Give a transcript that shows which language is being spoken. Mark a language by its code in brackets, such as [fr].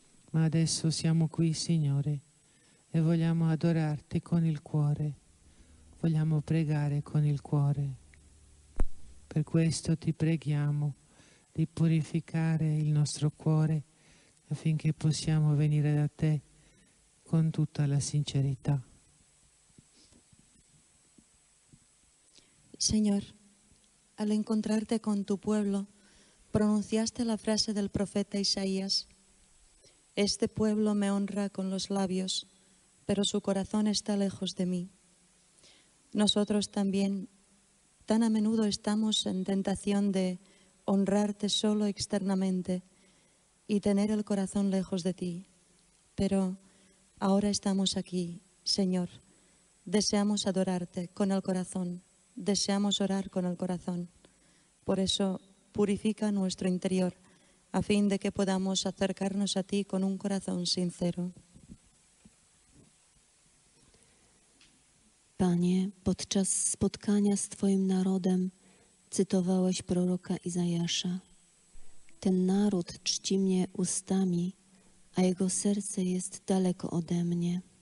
[it] Ma adesso siamo qui, Signore, e vogliamo adorarti con il cuore, vogliamo pregare con il cuore. Per questo ti preghiamo di purificare il nostro cuore affinché possiamo venire da te con tutta la sincerità. [es] Señor, al encontrarte con tu pueblo, pronunciaste la frase del profeta Isaías: Este pueblo me honra con los labios, pero su corazón está lejos de mí. Nosotros también, tan a menudo estamos en tentación de honrarte solo externamente y tener el corazón lejos de ti. Pero ahora estamos aquí, Señor, deseamos adorarte con el corazón. Deseamos orar con el corazón. Por eso, purifica nuestro interior a fin de que podamos acercarnos a ti con un corazón sincero. [pl] Panie, podczas spotkania z Twoim narodem cytowałeś proroka Izajasza. Ten naród czci mnie ustami, a jego serce jest daleko ode mnie.